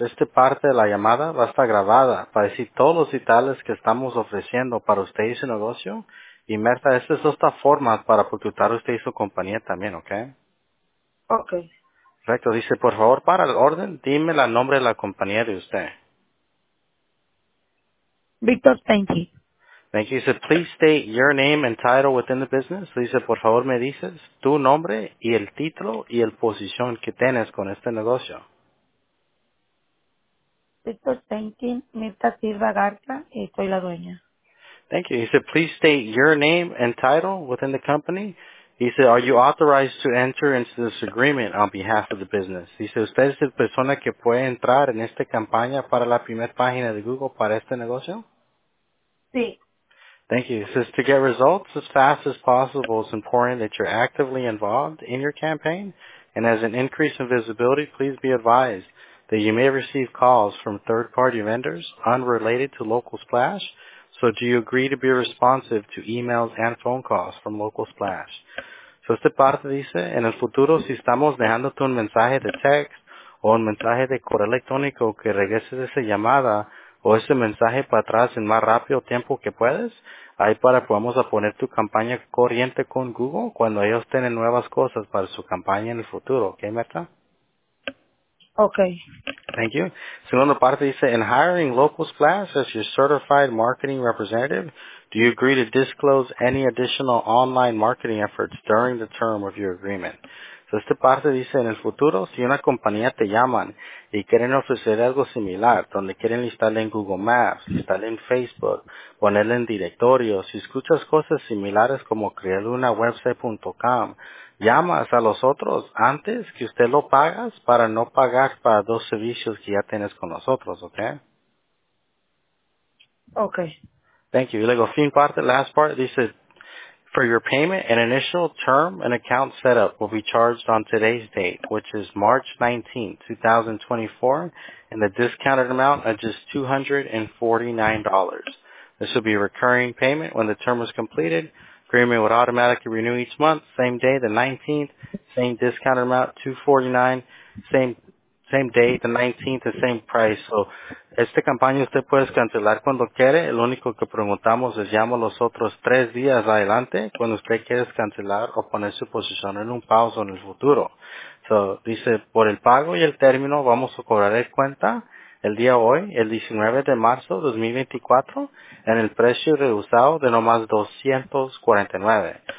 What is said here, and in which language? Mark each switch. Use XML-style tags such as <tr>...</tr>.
<es>Esta parte de la llamada va a estar grabada para decir todos los detalles que estamos ofreciendo para usted y su negocio. Y Merta, esta es otra forma para facultar usted y su compañía también, ¿okay?</es> <en>Okay.</en> <es>Correcto. Dice, por favor, para el orden, dime el nombre de la compañía de usted.</es> <en>Víctor, thank you. Thank you. Dice, please state your name and title within the business.</en> <es>Dice, por favor, me dices tu nombre y el título y la posición que tienes con este negocio. Víctor Stenkin, Mirta Silva Garza, y soy la dueña.</es> <en>Thank you. Dice, please state your name and title within the company. Dice, are you authorized to enter into this agreement on behalf of the business?</en> <es>Dice, ¿usted es la persona que puede entrar en esta campaña para la primera página de Google para este negocio? Sí.</es> <en>Thank you. Says to get results as fast as possible, it's important that you're actively involved in your campaign. And as an increase in visibility, please be advised that you may receive calls from third-party vendors unrelated to Local Splash. So do you agree to be responsive to emails and phone calls from Local Splash?</en> <es>So esta parte dice, en el futuro, si estamos dejándote un mensaje de text o un mensaje de correo electrónico que regreses esa llamada, o ese mensaje para atrás en más rápido tiempo que puedes, ahí para que vamos a poner tu campaña corriente con Google cuando ellos tienen nuevas cosas para su campaña en el futuro.</es> <en>¿Ok, Meta? Okay. Thank you.</en> <es>Segunda parte dice,</es> <en>in hiring Local Splash as your certified marketing representative, do you agree to disclose any additional online marketing efforts during the term of your agreement?</en> <es>Esta parte dice, en el futuro, si una compañía te llaman y quieren ofrecer algo similar, donde quieren listarle en Google Maps, listarle en Facebook, ponerle en directorio, si escuchas cosas similares como crear una website.com, llamas a los otros antes que usted lo pagas para no pagar para 2 servicios que ya tienes con nosotros, ¿ok?</es> <en>Okay. Thank you.</en> <es>Y luego, fin parte,</es> <en>last part, dice, for your payment, an initial term and account setup will be charged on today's date, which is March 19, 2024, and the discounted amount is just $249. This will be a recurring payment when the term is completed. Agreement would automatically renew each month, same day, the 19th, same discounted amount, $249, same day, the 19th, the same price.</en> <es>So, esta campaña usted puede cancelar cuando quiere. Lo único que preguntamos es llamo los otros 3 días adelante cuando usted quiere cancelar o poner su posición en un pauso en el futuro. So, dice, por el pago y el término, vamos a cobrar el cuenta el día hoy, el 19 de marzo de 2024, en el precio reducido de nomás $249.</es>